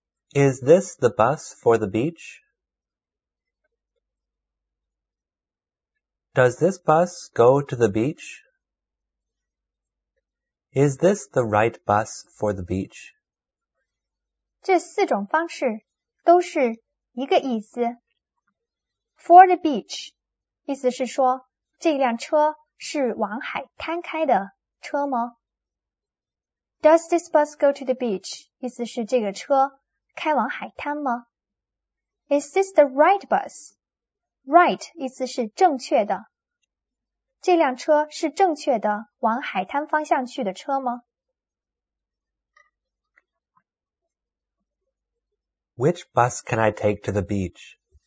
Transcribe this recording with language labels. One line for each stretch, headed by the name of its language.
English: Is this the bus for the beach? Does this bus go to the beach? Is this the right bus for the beach?
Chinese: 这四种方式都是一个意思。
English: For the beach
Chinese: 意思是说这辆车是往海滩开的。车吗？
English: Does this bus go to the beach?
Chinese: 意思是这个车开往海滩吗？
English: Is this the right bus? Right
Chinese: 意思是正确的。这辆车是正确的往海滩方向去的车吗？
English: Which bus can I take to the beach?